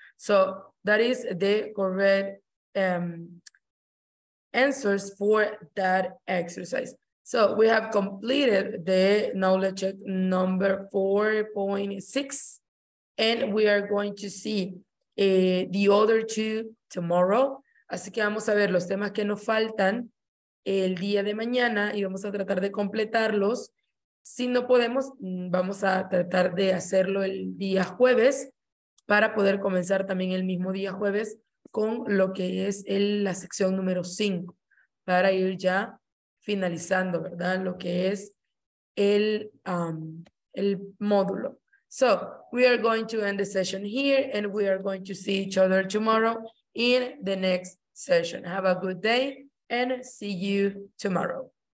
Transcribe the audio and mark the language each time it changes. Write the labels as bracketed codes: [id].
[en] So that is the correct answers for that exercise. So we have completed the knowledge check number 4.6, and we are going to see the other two tomorrow. [es] Así que vamos a ver los temas que nos faltan el día de mañana y vamos a tratar de completarlos. Si no podemos, vamos a tratar de hacerlo el día jueves para poder comenzar también el mismo día jueves con lo que es la sección número 5 para ir ya finalizando, ¿verdad? Lo que es el módulo. [en] So, we are going to end the session here and we are going to see each other tomorrow in the next session. Have a good day and see you tomorrow.